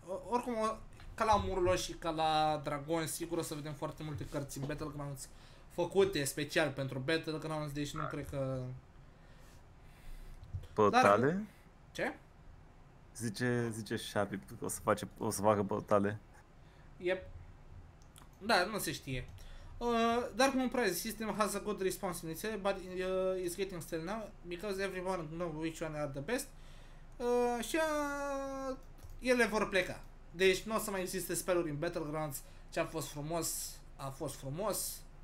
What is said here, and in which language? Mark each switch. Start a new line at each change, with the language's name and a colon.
Romanian: Oricum, ca la Murloc și ca la Dragon, sigur o să vedem foarte multe cărți în Battlegrounds făcute special pentru Battlegrounds, deci nu cred că... Dar... Portale? Ce? Zice Shabby că o să facă portale. Yep. Da, nu se știe.
English: Dark Moon Prize system has a good response initially, but it's getting stale now because everyone knows which one are the best.
Romanian: Și ele vor pleca. Deci nu o să mai existe spell-uri în Battlegrounds. Ce a fost frumos, a fost frumos.